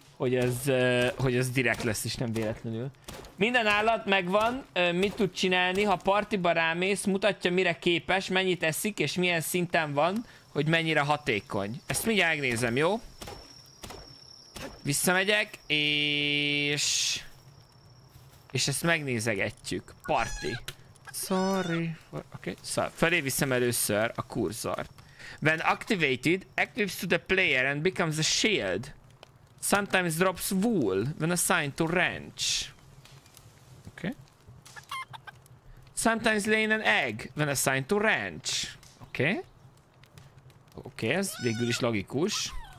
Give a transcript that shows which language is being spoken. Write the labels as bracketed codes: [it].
[hu] Hogy ez direkt lesz, és nem véletlenül. Minden állat megvan, mit tud csinálni, ha partiba rámész, mutatja mire képes, mennyit eszik, és milyen szinten van, hogy mennyire hatékony. Ezt mindjárt megnézem, jó? Visszamegyek, és... És ezt megnézegetjük. Party. Sorry. Oké, okay. Szóval felé viszem először a kurzort. [en] When activated, equips to the player and becomes a shield. Sometimes drops wool when assigned to ranch. Okay. Sometimes laying an egg when assigned to ranch. [hu] Oké. Okay. Oké, okay, ez végül is logikus.